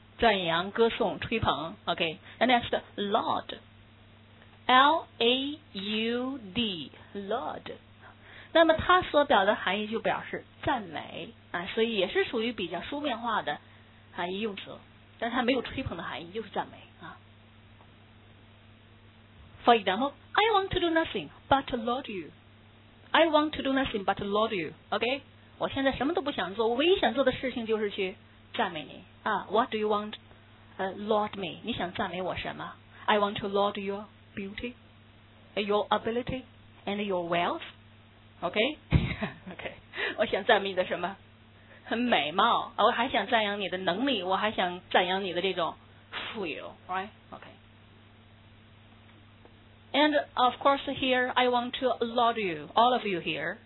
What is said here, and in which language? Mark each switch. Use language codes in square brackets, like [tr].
[zh] 赞扬、歌颂、吹捧。Okay. [en] And next, laud. L-A-U-D. Laud. [zh] 那么它所表的含义就表示赞美。啊、所以也是属于比较书面化的含义用词。但它没有吹捧的含义，就是赞美。 [en] For example, I want to do nothing but laud you. I want to do nothing but laud you. Okay? [zh] 我现在什么都不想做，我唯一想做的事情就是去赞美你。 [en] What do you want? Laud me. [zh] 你想赞美我什么？ [en] I want to laud your beauty, your ability, and your wealth. [zh] Okay? Okay. 我想赞美你的什么？很美貌。我还想赞扬你的能力，我还想赞扬你的这种富有。 [en] Right? Okay. And of course, here I want to laud you, all of you here.